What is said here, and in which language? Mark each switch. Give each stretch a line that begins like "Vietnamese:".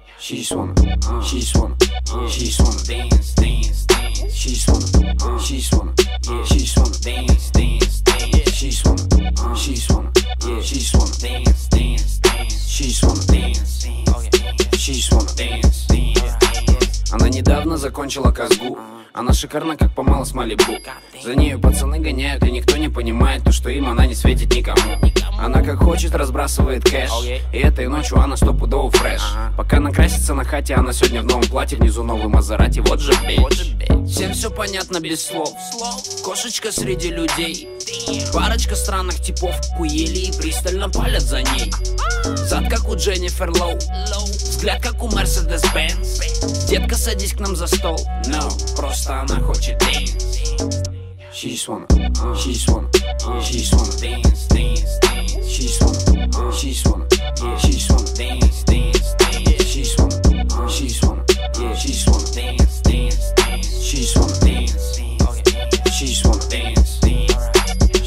English: She just wanna, she just wanna, she just wanna dance, dance, dance. She just wanna, she just wanna, she just wanna dance, dance, dance. She just wanna, she just wanna, she just wanna dance, dance, dance. She just wanna dance, dance, she just wanna dance, dance, dance.
Russian: Она недавно закончила Казгу. Она шикарна, как помала с Малибу. За нею пацаны гоняют, и никто не понимает то, что им она не светит никому. Она как хочет, разбрасывает кэш. И этой ночью она стопудово фреш. Пока накрасится на хате, она сегодня в новом платье, внизу новый Мазерати, вот же бич. Всем все понятно без слов. Кошечка среди людей. Парочка странных типов куели и пристально палят за ней. Зад как у Дженнифер Лоу. Взгляд как у Мерседес Бенц. Детка, садись к нам за стол. No, просто она хочет dance.
English: She just wanna, she just wanna, she just wanna dance, dance, dance. She just wanna, she just wanna, she just wanna dance, dance, dance. She just wanna, she just wanna, she just wanna dance, dance, dance. She just wanna dance, she just wanna dance, dance.